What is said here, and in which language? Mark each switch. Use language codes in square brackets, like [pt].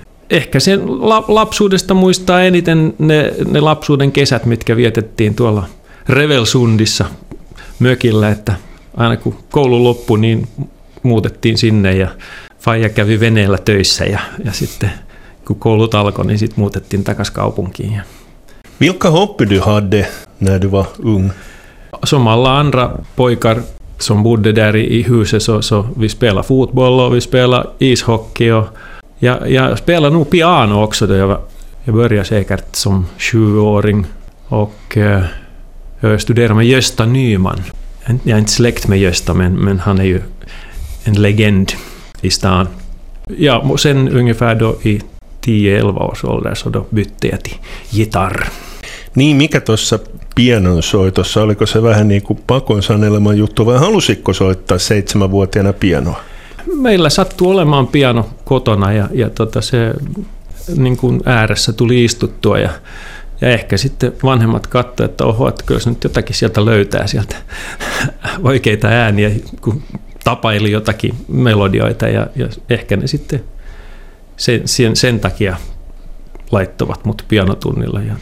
[fi] Ehkä sen lapsuudesta muistaa eniten ne lapsuuden kesät, mitkä vietettiin tuolla Revelsundissa mökillä, että aina kun koulu loppui, niin muutettiin sinne ja faija kävi veneellä töissä ja sitten kun koulut alkoi, niin sitten muutettiin takaisin kaupunkiin. [sv] Vilka hoppy du hade när du var ung? Som alla andra pojkar som bodde där i huset så vi spelade fotboll och vi spelade ishockey och ja spelade nog piano också då jag började säkert som 7-åring och jag studerade med Gösta Nyman. Jag är inte släkt med Gösta, men han är ju en legend i stan. Ja, sen ungefär då i 10-11 års ålder så då bytte jag till gitarr. [fi] Niin, mikä tuossa pianon soitossa, oliko se vähän niin kuin pakon sanelman juttu vai halusitko soittaa 7-vuotiaana pianoa? Meillä sattui olemaan piano kotona se niin kuin ääressä tuli istuttua ja ehkä sitten vanhemmat katsoivat, että oho, että kyllä se nyt jotakin sieltä löytää sieltä oikeita ääniä, kun tapaili jotakin melodioita ja ehkä ne sitten sen takia laittovat mut pianotunnille.